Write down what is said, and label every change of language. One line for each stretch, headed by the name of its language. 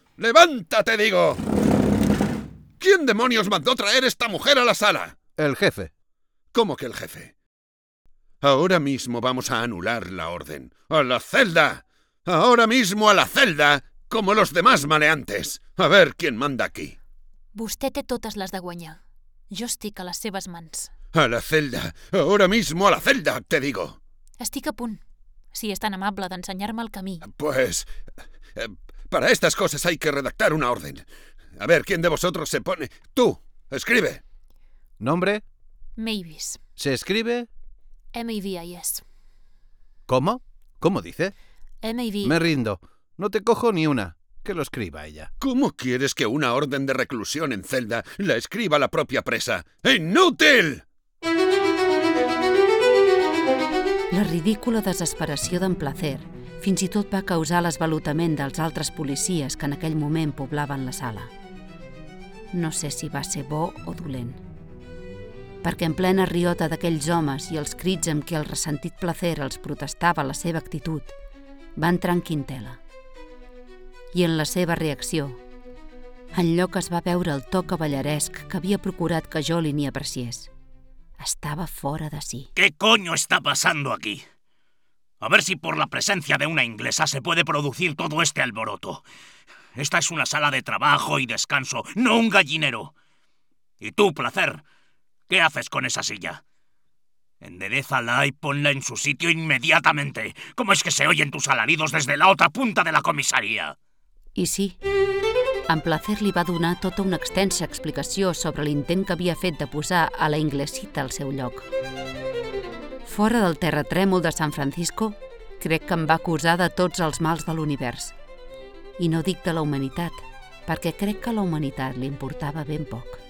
Spanish: ¡Levántate, digo! ¿Quién demonios mandó traer esta mujer a la sala? El jefe. ¿Cómo que el jefe? Ahora mismo vamos a anular la orden. ¡A la celda! ¡Ahora mismo a la celda! ¡Como los demás maleantes! A ver quién manda aquí.
Catalan: Vostè té totes les de guanyar. Jo estic a les seves mans.
Spanish: A la celda. Ahora mismo a la celda, te digo.
Catalan: Estic a punt. Si és tan amable d'ensenyar-me el camí.
Spanish: Pues... para estas cosas hay que redactar una orden. A ver, ¿quién de vosotros se pone...? Tú, escribe. ¿Nombre? Mavis. ¿Se escribe? M-A-V-I-S. ¿Cómo? ¿Cómo dice? M-A-V... Me rindo. No te cojo ni una. Que lo escriba ella. ¿Cómo quieres que una orden de reclusión en celda la escriba la propia presa? ¡Inútil!
Catalan: La ridícula desesperació d'en Placer fins i tot va causar l'esvalotament dels altres policies que en aquell moment poblaven la sala. No sé si va ser bo o dolent. Perquè en plena riota d'aquells homes i els crits amb què el ressentit Placer els protestava la seva actitud, va entrar en Quintela. I en la seva reacció, en lloc es va veure el to cavalleresc que havia procurat que jo li n'hi apreciés. Estava fora de si.
Spanish: ¿Qué coño está pasando aquí? A ver si por la presencia de una inglesa se puede producir todo este alboroto. Esta es una sala de trabajo y descanso, no un gallinero. Y tú, Placer, ¿qué haces con esa silla? Enderézala y ponla en su sitio inmediatamente. ¿Cómo es que se oyen tus alaridos desde la otra punta de la comisaría?
Catalan: I sí, en Placer li va donar tota una extensa explicació sobre l'intent que havia fet de posar a la inglesita al seu lloc. Fora del terratrèmol de San Francisco, crec que em va acusar de tots els mals de l'univers. I no dic de la humanitat, perquè crec que a la humanitat li importava ben poc.